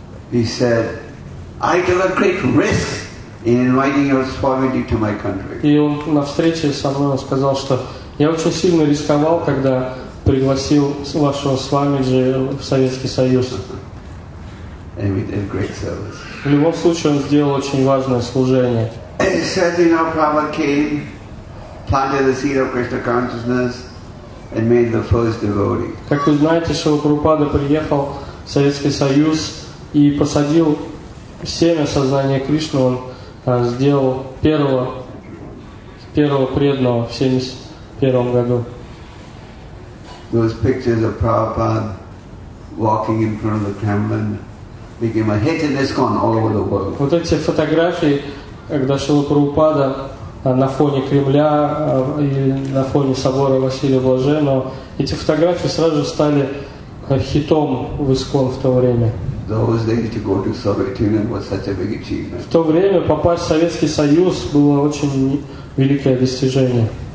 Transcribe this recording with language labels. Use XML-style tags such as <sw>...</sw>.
<en>He said, "I took a great risk in inviting your Swamiji to my country."</en> <ru>И он на встрече со мной сказал, что я очень сильно рисковал, когда пригласил вашего Свамиджи в Советский Союз.</ru> <en>And we did great service.</en> <ru>В любом случае, он сделал очень важное служение.</ru> <en>And he said, "You know, Prabhupada came, planted the seed of Krishna consciousness, and made the first devotee."</en> <ru>Как вы знаете, Шрила Прабхупада приехал в Советский Союз и посадил семя сознания Кришны. Он сделал первого преданного в 71 году.</ru> <en>Those pictures of Prabhupada walking in front of the Kremlin became a hit in ISKCON all over the world.</en> <ru>Вот эти фотографии, когда Шрила Прабхупада на фоне Кремля и на фоне собора Василия Блаженного, эти фотографии сразу же стали хитом в ИСКОН в то время. В то время попасть в Советский Союз было очень великое достижение.</ru>